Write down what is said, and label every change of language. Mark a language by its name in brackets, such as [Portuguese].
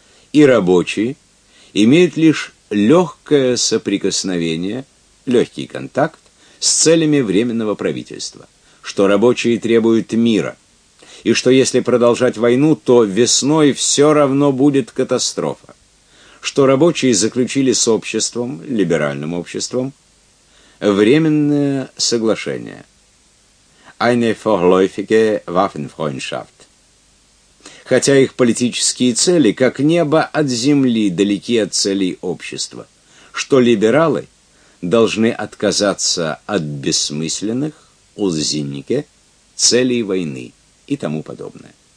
[Russian] и рабочие имеют лишь легкое соприкосновение, легкий контакт с целями временного правительства, что рабочие требуют мира, и что если продолжать войну, то весной все равно будет катастрофа, что рабочие заключили с обществом, либеральным обществом, временное соглашение. [German] Eine vorläufige Waffenfreundschaft. [Russian] Хотя их политические цели, как небо от земли, далеки от целей общества, что либералы должны отказаться от бессмысленных, узиннике, целей войны и тому подобное.